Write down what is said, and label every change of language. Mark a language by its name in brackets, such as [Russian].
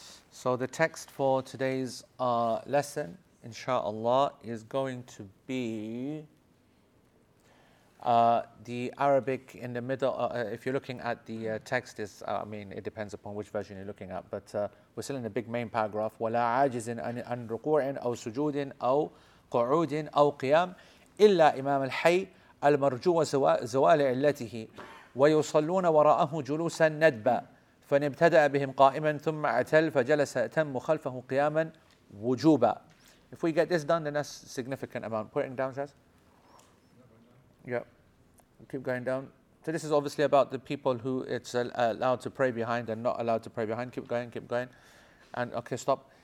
[English] So the text for today's lesson, inshallah, is going to be the Arabic in the middle. If you're looking at the text, it depends upon which version you're looking at. But we're still in the big main paragraph. [Arabic] وَلَا عَاجِزٍ أَنْ رُقُوعٍ أَوْ سُجُودٍ أَوْ قُعُودٍ أَوْ قِيَامٍ إِلَّا إِمَامَ الْحَيِّ الْمَرْجُوَ زَوَالِ عِلَّتِهِ وَيُصَلُّونَ وَرَاءَهُ جُلُوسًا نَدْبًا فنبتدأ بهم قائما ثم اعتل فجلس تم خلفه قياما وجوبا. [English] If we get this done, then that's significant amount. Put it down, Jazz. Yeah. Keep going down. So this is obviously about the people who it's allowed to pray behind and not allowed to pray behind. Keep going. And okay, stop.